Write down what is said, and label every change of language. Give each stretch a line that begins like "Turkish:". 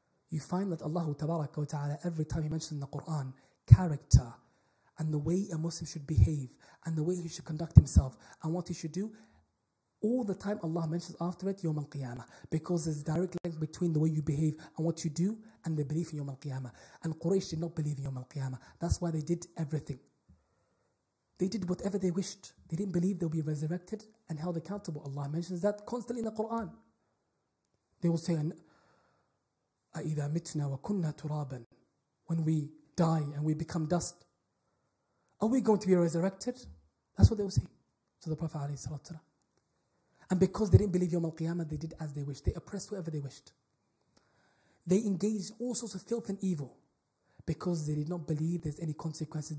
English: You find that Allah Tabaraka wa Ta'ala, every time He mentions in the Quran, character, and the way a Muslim should behave, and the way he should conduct himself, and what he should do, all the time Allah mentions after it, Yawm Al-Qiyamah. Because there's a direct link between the way you behave and what you do, and the belief in Yawm Al-Qiyamah. And Quraysh did not believe in Yawm Al-Qiyamah. That's why they did everything. They did whatever they wished. They didn't believe they'll be resurrected and held accountable. Allah mentions that constantly in the Quran. They will say,
Arabic: أَإِذَا مِتْنَا وَكُنَّا تُرَابًا.
English: When we die and we become dust, are we going to be resurrected? That's what they will say to the Prophet alayhi salatu wasalam. And because they didn't believe Yawm Al-Qiyamah, they did as they wished. They oppressed whoever they wished. They engaged all sorts of filth and evil because they did not believe there's any consequences.